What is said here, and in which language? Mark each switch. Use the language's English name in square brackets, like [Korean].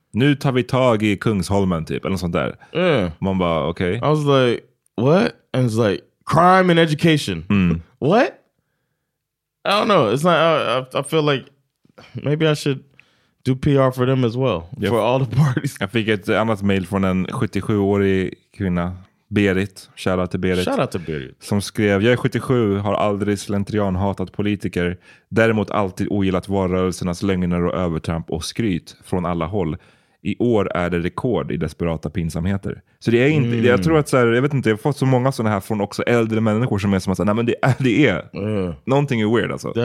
[Swedish] Nu tar vi tag i Kungsholmen typ, eller sånt där. [English] Yeah. [Swedish] Man bara, okay. [English] I was like, what? And it's like, crime and education. Mm. What? I don't know. It's not. I feel like maybe I should do PR for them as well. Yep. For all the parties. [Swedish] Jag fick ett annat mail från en 77-årig kvinna. Berit. Shout out till Berit. Shout out till Berit. Som skrev, jag är 77, har aldrig slentrian hatat politiker. Däremot alltid ogillat valrörelsernas lögner och övertramp och skryt från alla håll. I år är det rekord i desperata pinsamheter. Så det är inte, jag tror att så här, jag vet inte, jag har fått så många sådana här från också äldre människor som är som att säga, nej men det är någonting är [English] weird [Swedish] alltså.